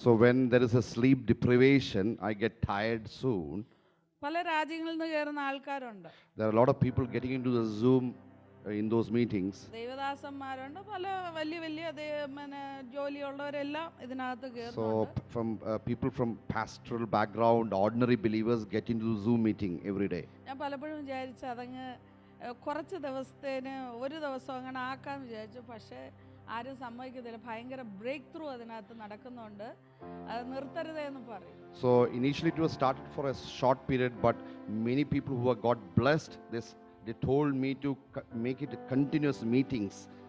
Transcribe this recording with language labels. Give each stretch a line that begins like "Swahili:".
English: So when there is a sleep deprivation, I get tired soon.
Malayalam: പല രാജ്യങ്ങളിൽ നിന്ന് കേറുന്ന ആൾക്കാരുണ്ട്.
English: There are a lot of people getting into the Zoom in those meetings.
Malayalam: ദേവദാസന്മാരുണ്ട്, പല വലിയ വലിയ ജോലിയുള്ളവരെല്ലാം ഇതിനകത്ത് കേറുന്നു.
English: So from people from pastoral background, ordinary believers get into the Zoom meeting every day.
Malayalam: ഞാൻ പലപ്പോഴും വിചാരിച്ചു അതങ്ങ് കുറച്ച് ദിവസത്തേന് ഒരു ദിവസം അങ്ങനെ ആക്കാൻ വിചാരിച്ചു, പക്ഷേ ആരും സമ്മതിക്കത്തില്ല. ഭയങ്കര ബ്രേക്ക് ത്രൂ അതിനകത്ത് നടക്കുന്നുണ്ട്, അത് നിർത്തരുതെന്ന് പറയും.
English: So initially it was started for a short period but many people who got blessed this they told me to make it continuous meetings.